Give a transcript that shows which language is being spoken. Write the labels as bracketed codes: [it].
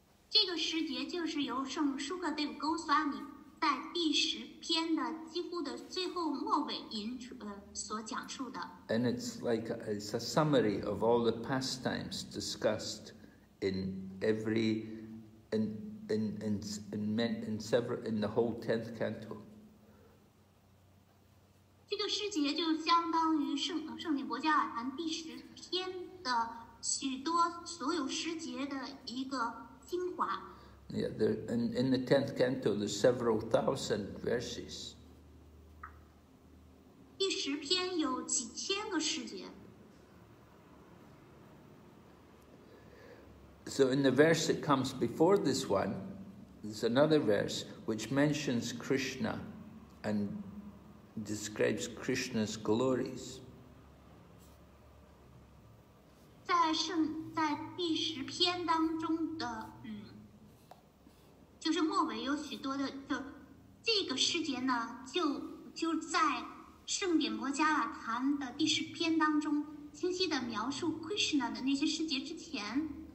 [zh] 这个诗节就是由圣 Sukadeva Goswami 在第十篇的几乎的最后末尾所讲述的。 [en] And it's a summary of all the pastimes discussed in the whole 10th canto. [zh] 这个诗节就相当于圣典国家瓦坛第十篇的许多所有诗节的一个精华。 [en] Yeah, in the 10th canto, there's several thousand verses. [zh] 第十篇有几千个诗节。 [en] So in the verse that comes before this one, there's another verse which mentions Krishna and describes Krishna's glories. [zh] 在第十篇当中的就是末尾有许多的这个诗节呢就在圣典摩迦瓦坛的第十篇当中清晰地描述 Krishna 的那些诗节之前